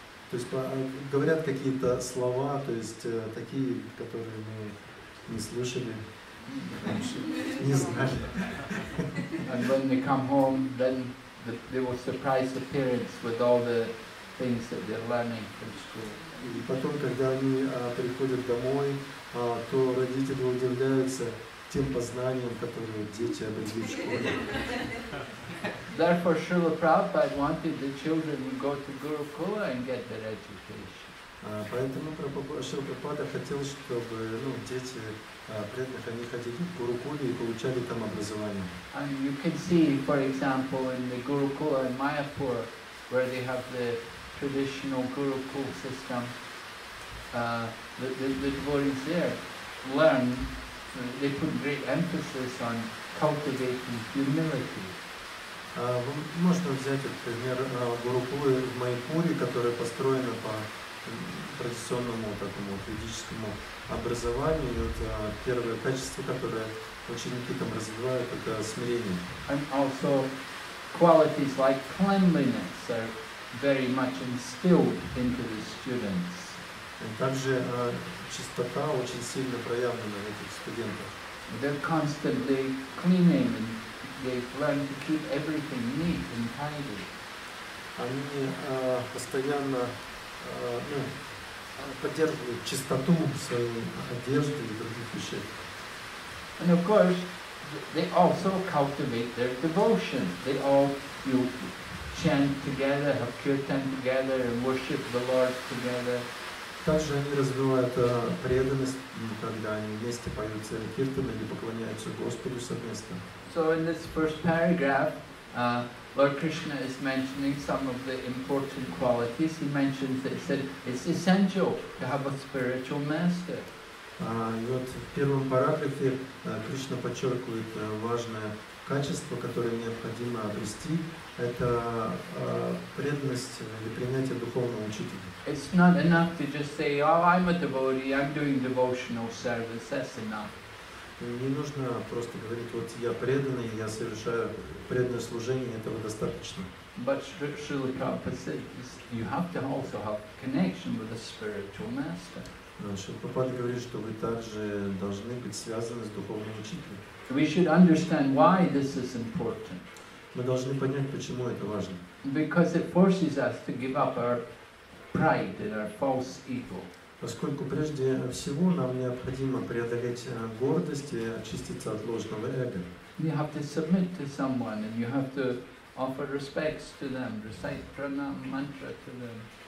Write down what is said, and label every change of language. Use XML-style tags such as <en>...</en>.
<ru>То есть говорят какие-то слова, то есть такие, которые мы не слышали.</ru> <en>And when they come home, then they will surprise the parents with all the things that they're learning from school.</en> <ru>И потом, когда они приходят домой, то родители удивляются тем познаниям, которые дети обрели в школе.</ru> <en>Therefore, Srila Prabhupada wanted the children to go to Gurukula and get their education.</en> <ru>Поэтому Шрила Прабхупада хотел, чтобы дети преданных, они ходили в Гурукулу и получали там образование.</ru> <en>And you can see, for example, in the Gurukula in Mayapur, where they have the traditional Gurukul system, the devotees there learn, they put great emphasis on cultivating humility.</en> <ru>Можно взять, например, Гурукулу в Майпуре, которая построена по традиционному такому ведическому образованию, первое качество, которое ученики там развивают, это смирение.</ru> <en>And also qualities like cleanliness are very much instilled into the students.</en> <ru>И также чистота очень сильно проявлена в этих студентах.</ru> <en>They're constantly cleaning and they've learned to keep everything neat and tidy.</en> <ru>Они постоянно поддерживают чистоту своей одежды и других вещей.</ru> <en>And of course, they also cultivate their devotion. They all chant together, have kirtan together, and worship the Lord together.</en> <ru>Также они развивают преданность, когда они вместе поют целый киртан или поклоняются Господу совместно.</ru> <en>So in this first paragraph, Lord Krishna is mentioning some of the important qualities. He mentions that he said it's essential to have a spiritual master.</en> <ru>И вот в первом параграфе Кришна подчеркивает важное качество, которое необходимо обрести, это преданность или принятие духовного учителя.</ru> <en>It's not enough to just say, "Oh, I'm a devotee. I'm doing devotional service. That's enough."</en> <ru>Не нужно просто говорить, вот я преданный, я совершаю преданное служение, этого достаточно.</ru> <en>But Srila Prabhupada says, you have to also have connection with a spiritual master.</en> <ru>Srila Prabhupada говорит, что вы также должны быть связаны с духовным учителем.</ru> <en>We should understand why this is important.</en> <ru>Мы должны понять, почему это важно.</ru> <en>Because it forces us to give up our pride and our false ego.</en> <ru>Поскольку прежде всего нам необходимо преодолеть гордость и очиститься от ложного эго.</ru> <en>You have to submit to someone and you have to offer respects to them, recite pranam mantra to them.</en>